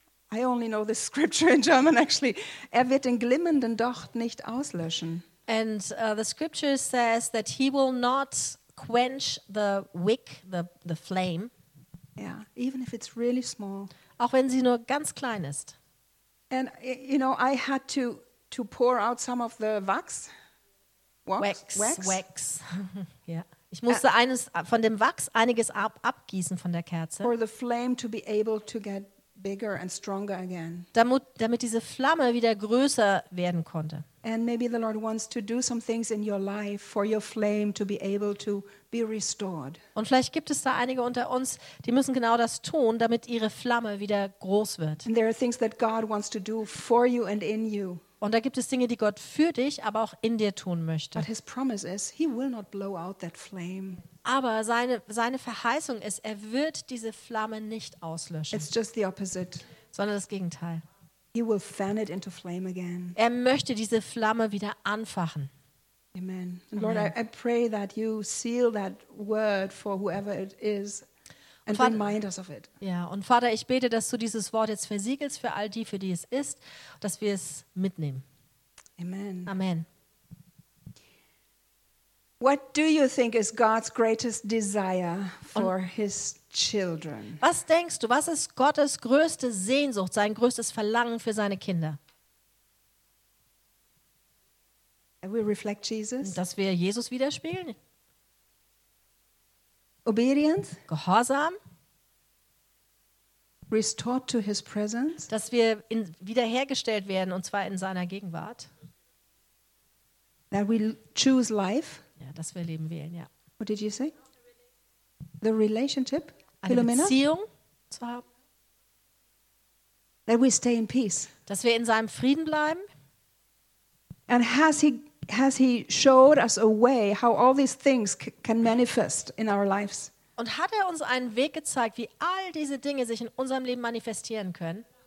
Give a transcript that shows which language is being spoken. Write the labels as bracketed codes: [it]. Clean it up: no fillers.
[en] I only know this scripture in German actually. [de] Er wird den glimmenden Docht nicht auslöschen. [en] And the scripture says that he will not quench the wick, the flame. Yeah, even if it's really small. [de] Auch wenn sie nur ganz klein ist. [en] And you know, I had to pour out some of the wax. Wax. Ja. [de] Ich musste eines von dem Wachs einiges abgießen von der Kerze. [en] For the flame to be able to get bigger and stronger again. [de] Damit diese Flamme wieder größer werden konnte. [en] And maybe the Lord wants to do some things in your life for your flame to be able to be restored. [de] Und vielleicht gibt es da einige unter uns, die müssen genau das tun, damit ihre Flamme wieder groß wird. [en] And there are things that God wants to do for you and in you. [de] Und da gibt es Dinge, die Gott für dich, aber auch in dir tun möchte. [en] But his promise is, he will not blow out that flame. [de] Aber seine Verheißung ist, er wird diese Flamme nicht auslöschen. [en] It's just the opposite. [de] Sondern das Gegenteil. [en] He will fan it into flame again. [de] Er möchte diese Flamme wieder anfachen. Amen. [en] And Lord, I pray that you seal that word for whoever it is. And Vater, remind us of it. [de] Ja, und Vater, ich bete, dass du dieses Wort jetzt versiegelst für all die, für die es ist, dass wir es mitnehmen. Amen. Amen. [en] What do you think is God's greatest desire for his children? [de] Was denkst du, was ist Gottes größte Sehnsucht, sein größtes Verlangen für seine Kinder? [en] We reflect Jesus. [de] Dass wir Jesus widerspiegeln. [en] Obedience, [de] Gehorsam, [en] restored to his presence, [de] dass wir wiederhergestellt werden und zwar in seiner Gegenwart. [en] That we choose life, [de] ja, dass wir Leben wählen, ja. [en] What did you say? The relationship, [de] eine Beziehung zu haben. [en] That we stay in peace, [de] dass wir in seinem Frieden bleiben. [en] And has he showed us a way how all these things can manifest in our lives? [de] Und hat er uns einen Weg gezeigt, wie all diese Dinge sich in unserem Leben manifestieren können?